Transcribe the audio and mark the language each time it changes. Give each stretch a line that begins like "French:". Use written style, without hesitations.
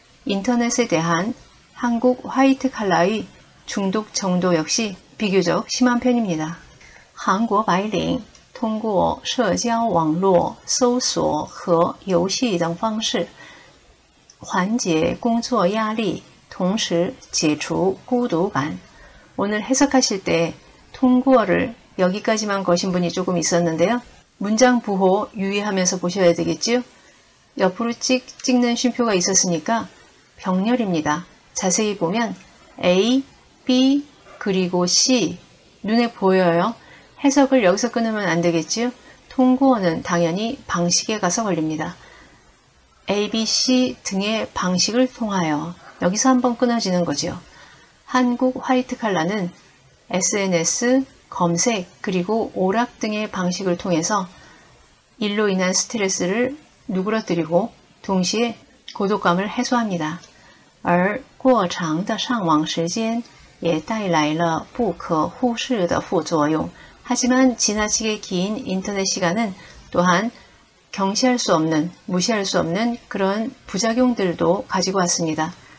Korean: 인터넷에대한한국화이트칼라의중독정도역시비교적심한편입니다。
Chinese: 韩国白领通过社交网络搜索和游戏等方式缓解工作压力，同时解除孤独感。
Korean: 오늘해석하실때통고를여기까지만거신분이조금있었는데요，문장부호유의하면서보셔야되겠죠。 옆으로찍찍는쉼표가있었으니까병렬입니다。 자세히보면 A, B 그리고 C 눈에보여요。 해석을여기서끊으면안되겠지요。 통고어는당연히방식에가서걸립니다。 A, B, C 등의방식을통하여여기서한번끊어지는거지요。 한국화이트칼라는 SNS, 검색그리고오락등의방식을통해서일로인한스트레스를누그러뜨리고동시에고독감을해소합니다。
Chinese: 而过长的上网时间也带来了不可忽视的副作用。
Korean: 하지만지나치게긴인터넷시간은또한경시할수없는무시할수없는그런부작용들도가지고왔습니다。